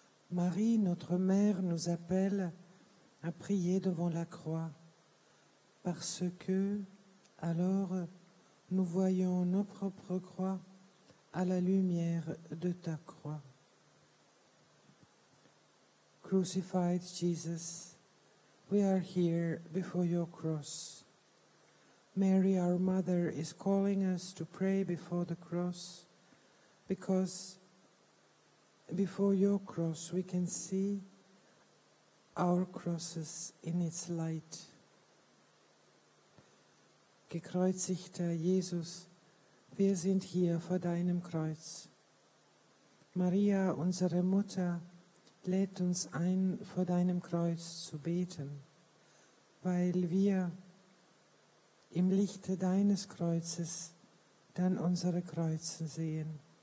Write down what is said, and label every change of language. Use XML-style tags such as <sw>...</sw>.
<fr>Marie, notre mère, nous appelle à prier devant la croix, parce que, alors, nous voyons nos propres croix à la lumière de ta croix.</fr> <en>Crucified Jesus, we are here before your cross. Mary, our mother, is calling us to pray before the cross, because before your cross we can see our crosses in its light.</en> <de>Gekreuzigter Jesus, wir sind hier vor deinem Kreuz. Maria, unsere Mutter, lädt uns ein, vor deinem Kreuz zu beten, weil wir im Lichte deines Kreuzes dann unsere Kreuze sehen.</de>